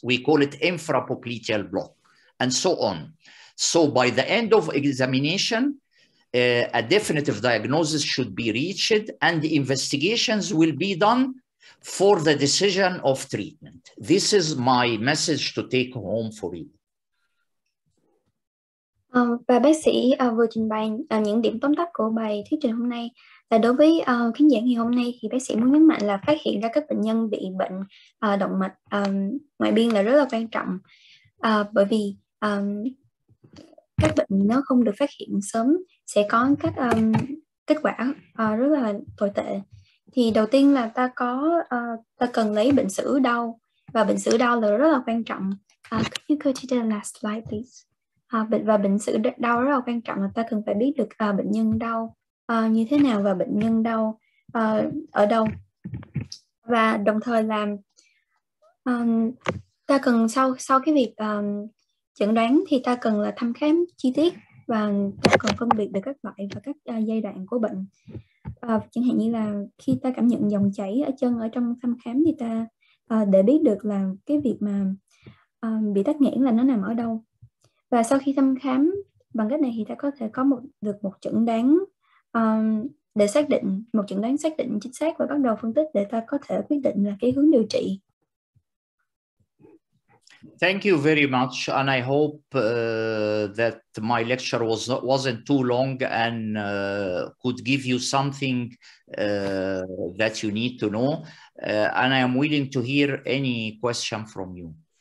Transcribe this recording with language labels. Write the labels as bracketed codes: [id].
[en] We call it infrapopliteal block, and so on. So by the end of examination, a definitive diagnosis should be reached, and the investigations will be done for the decision of treatment. This is my message to take home for you. [vi] Và bác sĩ vừa trình bày những điểm tóm tắt của bài thuyết trình hôm nay. Là đối với khán giả ngày hôm nay thì bác sĩ muốn nhấn mạnh là phát hiện ra các bệnh nhân bị bệnh động mạch ngoại biên là rất là quan trọng. Bởi vì các bệnh nó không được phát hiện sớm sẽ có các kết quả rất là tồi tệ. Thì đầu tiên là ta cần lấy bệnh sử đau, và bệnh sử đau là rất là quan trọng. [en] Could you go to the last slide, please? [vi] Và bệnh sử đau rất là quan trọng, là ta cần phải biết được bệnh nhân đau như thế nào và bệnh nhân đau ở đâu. Và đồng thời là ta cần sau cái việc chẩn đoán thì ta cần là thăm khám chi tiết, và ta cần phân biệt được các loại và các giai đoạn của bệnh. Chẳng hạn như là khi ta cảm nhận dòng chảy ở chân ở trong thăm khám thì ta để biết được là cái việc mà bị tắc nghẽn là nó nằm ở đâu. Và sau khi thăm khám bằng cách này thì ta có thể có được một chẩn đoán để xác định, một chẩn đoán xác định chính xác, và bắt đầu phân tích để ta có thể quyết định là cái hướng điều trị. [en] Thank you very much, and I hope that my lecture wasn't too long and could give you something that you need to know, and I am willing to hear any question from you.